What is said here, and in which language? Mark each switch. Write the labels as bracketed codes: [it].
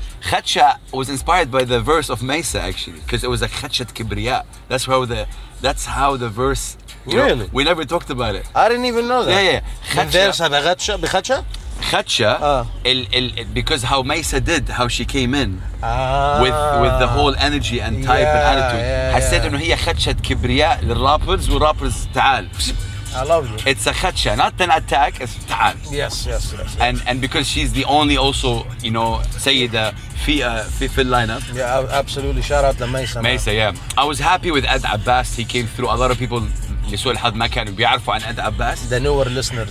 [en] Khatcha was inspired by the verse of Mesa actually because it was a Khatchat Kibriya that's how the verse really know, we never talked about it I didn't even know that yeah Khatcha خدشة because how Maysa did, how she came in with the whole energy and type and attitude. [ar] حسيت إنه هي خدشة كبرياء للرابرز والرابرز تعال. [en] I love you. It's a khatcha, not an attack. It's ta'al. Yes. And because she's the only also, you know, Sayyida fi lineup. Yeah, absolutely. Shout out to Maysa. Maysa, yeah. I was happy with Ad Abbas. He came through. A lot of people [ar] يسوي الحظ ما كانوا بيعرفوا عن [en] Ad Abbas. The newer listeners.